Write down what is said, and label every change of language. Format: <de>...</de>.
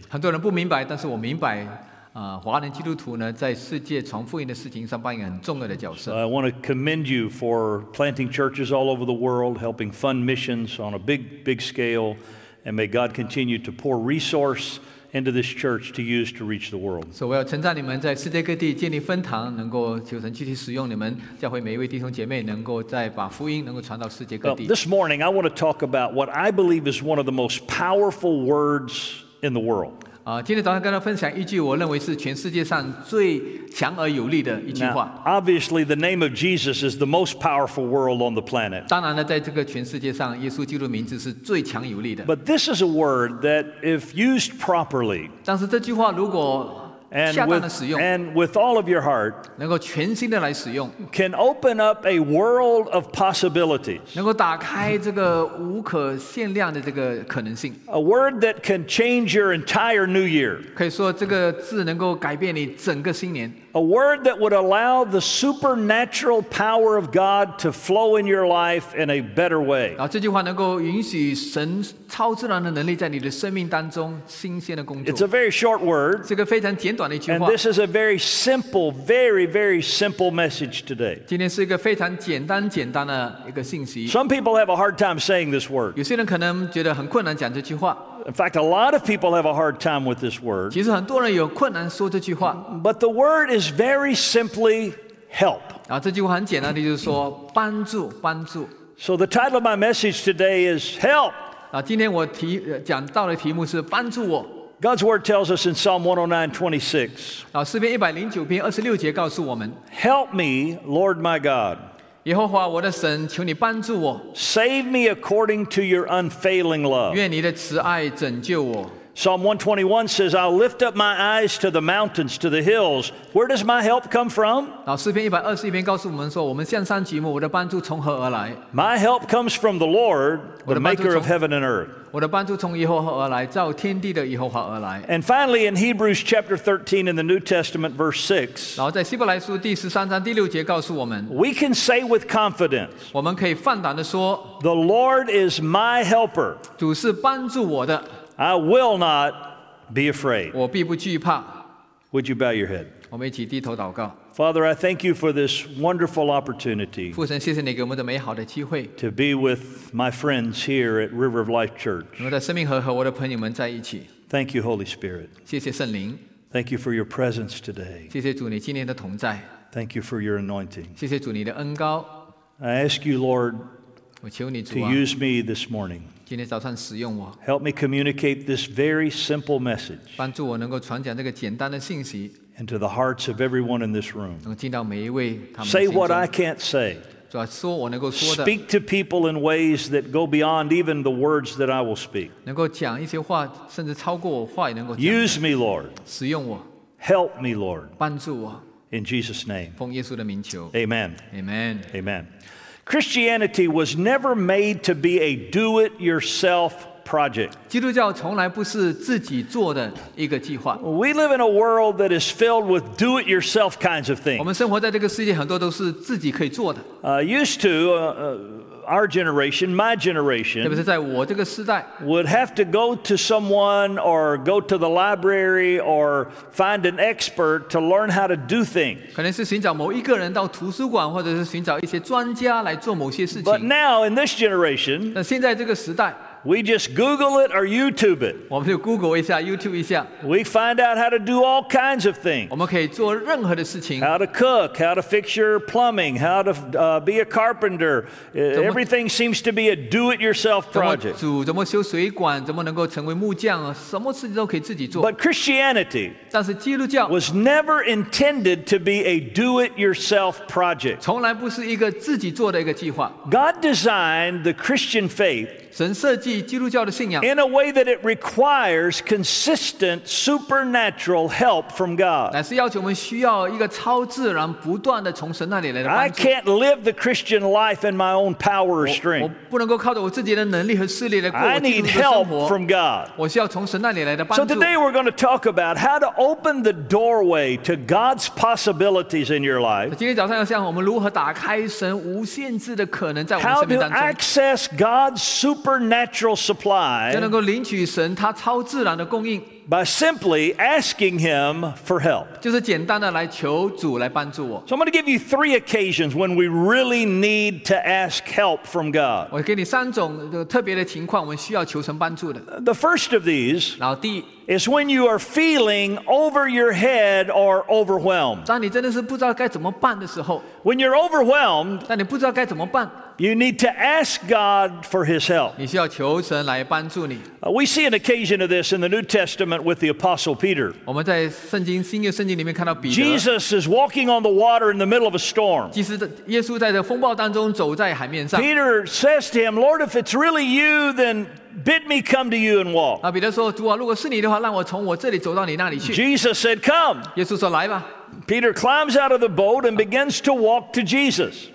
<zh>很多人不明白，但是我明白。华人基督徒呢，在世界传福音的事情上扮演很重要的角色。</zh> <en>I want to commend you for planting churches all over the world, helping fund missions on a big, big scale, and may God continue to pour resource into this church to use to reach the world.</en> <zh>所以我要称赞你们在世界各地建立分堂，能够求神具体使用你们教会每一位弟兄姐妹，能够再把福音能够传到世界各地。</zh> <en>This morning, I want to talk about what I believe is one of the most powerful words in the world.</en> <zh>今天早上跟大家分享一句我认为是全世界上最强而有力的一句话。</zh> <en>Now, obviously, the name of Jesus is the most powerful word on the planet.</en> <zh>当然了，在这个全世界上，耶稣基督的名字是最强有力的。</zh> <en>But this is a word that, if used properly,</en> <zh>但是这句话如果恰当的使用</zh> <en>and with all of your heart,</en> <zh>能够全心的来使用</zh> <en>can open up a world of possibilities.</en> <zh>能够打开这个无可限量的这个可能性</zh> <en>A word that can change your entire new year.</en> <zh>可以说这个字能够改变你整个新年</zh> <en>A word that would allow the supernatural power of God to flow in your life in a better way.</en> <zh>这句话能够允许神超自然的能力在你的生命当中新鲜的工作</zh> <en>It's a very short word.</en> <zh>这个非常简</zh> <en>And this is a very simple, very, very simple message today.</en> <zh>今天是一个非常简单的一个信息。</zh> <en>Some people have a hard time saying this word.</en> <zh>有些人可能觉得很困难讲这句话。</zh> <en>In fact, a lot of people have a hard time with this word.</en> <zh>其实很多人有困难说这句话。</zh> <en>But the word is very simply help.</en> <zh>啊，这句话很简单的，就是说帮助，帮助。</zh> <en>So the title of my message today is help.</en> <zh>啊，今天我讲到的题目是帮助我。</zh> <en>God's word tells us in Psalm 109:26.</en> <zh>诗篇109篇26节告诉我们</zh> <en>，Help me, Lord my God.</en> <zh>耶和华我的神，求你帮助我。</zh> <en>Save me according to your unfailing love.</en> <zh>愿你的慈爱拯救我。</zh> <en>Psalm 121 says, I'll lift up my eyes to the mountains, to the hills. Where does my help come from?</en> <zh>诗篇121篇告诉我们说，我们向山举目，我的帮助从何而来？</zh> <en>My help comes from the Lord, the maker of heaven and earth.</en> <zh>我的帮助从耶和华而来，造天地的耶和华而来。</zh> <en>And finally, in Hebrews chapter 13 in the New Testament, verse 6,</en> <zh>然后在希伯来书第十三章第六节告诉我们，</zh> <en>We can say with confidence,</en> <zh>我们可以放胆地说，</zh> <en>The Lord is my helper.</en> <zh>主是帮助我的。</zh> <en>I will not be afraid.</en> <zh>我必不惧怕。</zh> <en>Would you bow your head?</en> <zh>我们一起低头祷告。</zh> <en>Father, I thank you for this wonderful opportunity.</en> <zh>父神，谢谢你给我们的美好的机会。</zh> <en>To be with my friends here at River of Life Church.</en> <zh>我的生命和我的朋友们在一起。</zh> <en>Thank you, Holy Spirit.</en> <zh>谢谢圣灵。</zh> <en>Thank you for your presence today.</en> <zh>谢谢主你今天的同在。</zh> <en>Thank you for your anointing.</en> <zh>谢谢主你的恩膏。</zh> <en>I ask you, Lord,</en> <zh>我求你主啊,</zh> <en>to use me this morning.</en> <zh>今天早上使用我</zh> <en>Help me communicate this very simple message.</en> <zh>帮助我能够传讲这个简单的信息</zh> <en>into the hearts of everyone in this room.</en> <zh>能进到每一位他们的心中</zh> <en>Say what I can't say.</en> <zh>主啊，说我能够说的</zh> <en>Speak to people in ways that go beyond even the words that I will speak.</en> <zh>能够讲一些话，甚至超过我话也能够讲</zh> <en>Use me, Lord.</en> <zh>使用我</zh> <en>Help me, Lord.</en> <zh>帮助我</zh> <en>In Jesus' name.</en> <zh>奉耶稣的名求</zh> <en>Amen. Amen. Amen. Christianity was never made to be a do-it-yourself project.</en> <zh>基督教从来不是自己做的一个计划。</zh> <en>We live in a world that is filled with do-it-yourself kinds of things.</en> <zh>我们生活在这个世界，很多都是自己可以做的。</zh> <en>Used to, our generation, my generation,</en> <zh>特别是在我这个世代,</zh> <en>would have to go to someone or go to the library or find an expert to learn how to do things.</en> <zh>可能是寻找某一个人到图书馆或者是寻找一些专家来做某些事情。</zh> <en>But now, in this generation,</en> <zh>但现在这个时代,</zh> <en>we just Google it or YouTube it.</en> <zh>我们就 Google 一下, YouTube 一下。</zh> <en>We find out how to do all kinds of things.</en> <zh>我们可以做任何的事情。</zh> <en>How to cook, how to fix your plumbing, how to be a carpenter. Everything seems to be a do-it-yourself project.</en> <zh>怎么煮,怎么修水管,怎么能够成为木匠,什么事情都可以自己做。</zh> <en>But Christianity,</en> <zh>但是基督教,</zh> <en>was never intended to be a do-it-yourself project.</en> <zh>从来不是一个自己做的一个计划。</zh> <en>God designed the Christian faith</en> <zh>神设计基督教的信仰</zh> <en>in a way that it requires consistent supernatural help from God.</en> <zh>乃是要求我们需要一个超自然不断的从神那里来的帮助。</zh> <en>I can't live the Christian life in my own power or strength.</en> <zh>我不能够靠着我自己的能力和势力来过我基督徒的生活。</zh> <en>I need help from God.</en> <zh>我需要从神那里来的帮助。</zh> <en>So today we're going to talk about how to open the doorway to God's possibilities in your life.</en> <zh>今天早上要向我们如何打开神无限制的可能在我们生命当中。</zh> <en>How to access God's supernatural supply</en> <zh>就能够领取神他超自然的供应</zh> <en>by simply asking him for help</en> <zh>就是简单的来求主来帮助我</zh> <en>So I'm going to give you three occasions when we really need to ask help from God</en> <zh>我给你三种特别的情况我们需要求神帮助的</zh> <en>The first of these</en> <zh>然后第一</zh> <en>is when you are feeling over your head or overwhelmed</en> <zh>当你真的是不知道该怎么办的时候</zh> <en>When you're overwhelmed</en> <zh>当你不知道该怎么办</zh> <en>You need to ask God for His help.</en> <zh>你需要求神来帮助你。</zh> <en>We see an occasion of this in the New Testament with the Apostle Peter.</en> <zh>我们在圣经新约圣经里面看到彼得。</zh> <en>Jesus is walking on the water in the middle of a storm.</en> <zh>其实耶稣在这风暴当中走在海面上。</zh> <en>Peter says to him, "Lord, if it's really you, then bid me come to you and walk."</en> <zh>彼得说，主啊，如果是你的话，让我从我这里走到你那里去。</zh> <en>Jesus said, "Come."</en> <zh>耶稣说，来吧。</zh> <en>Peter climbs out of the boat and begins to walk to Jesus.</en>